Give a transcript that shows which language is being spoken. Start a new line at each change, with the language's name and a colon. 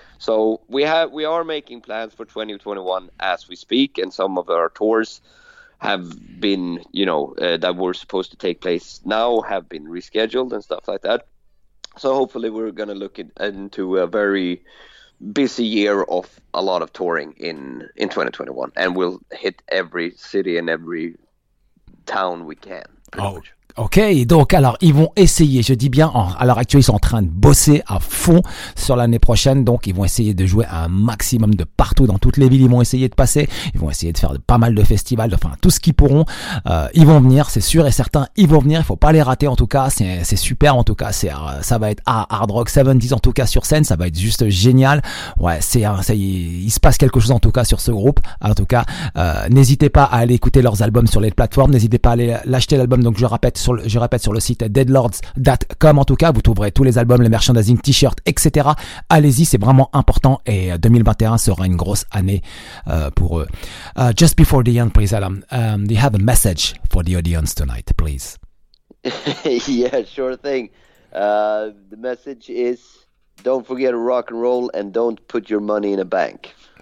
English: So we are making plans for 2021 as we speak, and some of our tours have been, you know, that were supposed to take place now have been rescheduled and stuff like that. So hopefully we're going to look into a very busy year of a lot of touring in 2021, and we'll hit every city and every town we can.
French: Ok, donc alors ils vont essayer, je dis bien, à l'heure actuelle ils sont en train de bosser à fond sur l'année prochaine, donc ils vont essayer de jouer un maximum de partout dans toutes les villes, ils vont essayer de passer, ils vont essayer de faire pas mal de festivals, enfin tout ce qu'ils pourront, ils vont venir, c'est sûr et certain, ils vont venir, il faut pas les rater en tout cas, c'est super en tout cas, ça va être Hard Rock 70 en tout cas sur scène, ça va être juste génial, ouais, il se passe quelque chose en tout cas sur ce groupe, en tout cas, n'hésitez pas à aller écouter leurs albums sur les plateformes, n'hésitez pas à aller l'acheter l'album, donc je répète sur le site deadlords.com, en tout cas vous trouverez tous les albums, les merchandising, t-shirts, etc. Allez-y, c'est vraiment important, et 2021 sera une grosse année pour eux.
English: Just before the end, please, Adam, do you have a message for the audience tonight, please? Yeah, sure thing. The message is, don't forget rock and roll, and don't put your money in a bank.